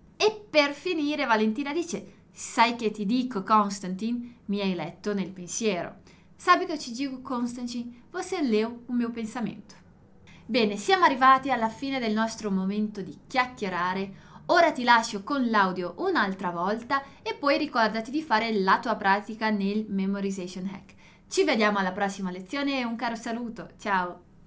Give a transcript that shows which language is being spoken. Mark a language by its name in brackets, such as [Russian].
[Italian] E per finire, Valentina dice, sai che ti dico, Constantin? Mi hai letto nel pensiero. [Portuguese] Sabe che eu te digo, Constantin? Você leu o meu pensamento. [Italian] Bene, siamo arrivati alla fine del nostro momento di chiacchierare. Ora ti lascio con l'audio un'altra volta e poi ricordati di fare la tua pratica nel Memorization Hack. Ci vediamo alla prossima lezione e un caro saluto. Ciao!